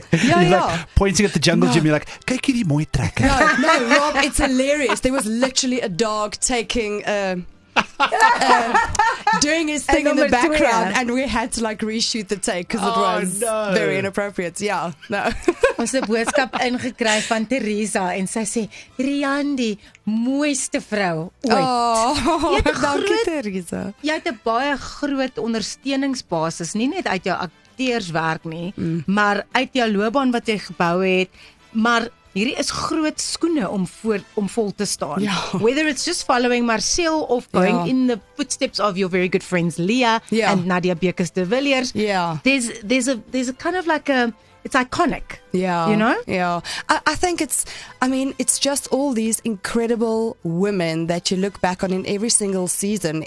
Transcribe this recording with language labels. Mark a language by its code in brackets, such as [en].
[en] Yes. Yeah, like pointing at the jungle gym, you're like, [af] kyk hierdie mooi trekker. [en] No, Rob, it's hilarious. There was literally a dog taking a... doing his thing in the background, and we had to like reshoot the take because it was very inappropriate. Yeah, no. [af] Ons het 'n boodskap ingekry van Teresa, en sy sê, Riaandi, mooiste vrou ooit. Dankie, Teresa. Jy het 'n baie groot ondersteuningsbasis, nie net uit jou akteurswerk nie, maar uit jou loopbaan wat jy gebou het, maar hierdie is groot skoene om vol te staan. Ja. [en] Whether it's just following Marcel of going in the footsteps of your very good friends Leah and Nadia Bekes de Villiers. Yeah. There's a kind of like a it's iconic. Yeah. You know? Yeah. I think it's, I mean, it's just all these incredible women that you look back on in every single season.